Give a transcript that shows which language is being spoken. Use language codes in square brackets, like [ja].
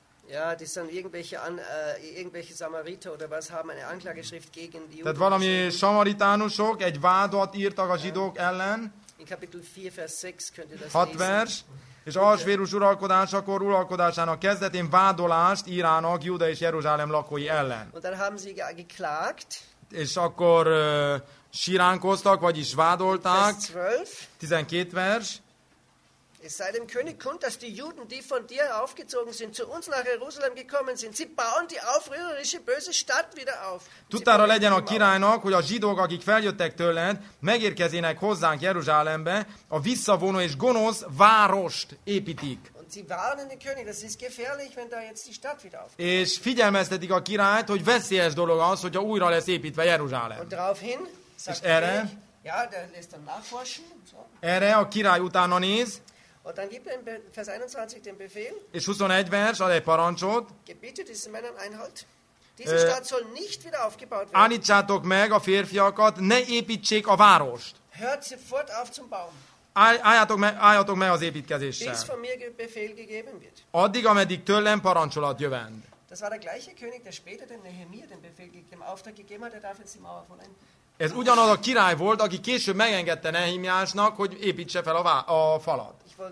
[de] Ja, das sind irgendwelche Samariter oder was haben eine Anklageschrift gegen die Juden. [hu] Tehát valami samaritánusok egy vádat írtak a zsidók ellen. [de] In Kapitel 4 Vers 6 könnt ihr das lesen. [hu] Hat vers, és Ahasvérus uralkodásakor uralkodásának kezdetén vádolást írának Júda és Jeruzsálem lakói ellen. [de] Und dann haben sie geklagt. [hu] És akkor siránkoztak, vagyis vádolták. 12 vers. [de] Es sei dem König kund, dass die Juden, die von dir aufgezogen sind, zu uns nach Jerusalem gekommen sind. Sie bauen die aufrührerische böse Stadt wieder auf. [hu] Tudtára legyen a királynak, hogy a zsidók, akik feljöttek tőled, megérkezének hozzánk Jeruzsálembe, a visszavonó és gonosz várost építik. [de] Und sie warnen den König, das ist gefährlich, wenn da jetzt die Stadt wieder aufgezogen. [hu] És figyelmeztetik a királyt, hogy veszélyes dolog az, hogyha újra lesz építve Jeruzsálem. [de] Und daraufhin sagt [hu] erre, [de] ja, der lässt dann nachforschen. So. [hu] Erre a király utána néz. [de] Und dann gibt er in Vers 21 den Befehl. [hu] És 21 vers ad egy parancsot. [de] Gebietet diesen Männern Einhalt. Diese Stadt soll nicht wieder aufgebaut werden. [hu] Állítsátok meg a férfiakat, ne építsék a várost. [de] Hört sofort auf zum Bauen. [hu] Álljatok meg az építkezéssel. [de] Bis von mir Befehl gegeben wird. [hu] Addig, ameddig tőlem parancsolat jövend. [de] Das war der gleiche König, der später den Nehemia den Befehl gegeben, Auftrag gegeben hat, er darf jetzt die Mauer vollenden. [hu] Ez ugyanaz a király volt, aki később megengedte Nehemiásnak, hogy építse fel a falat.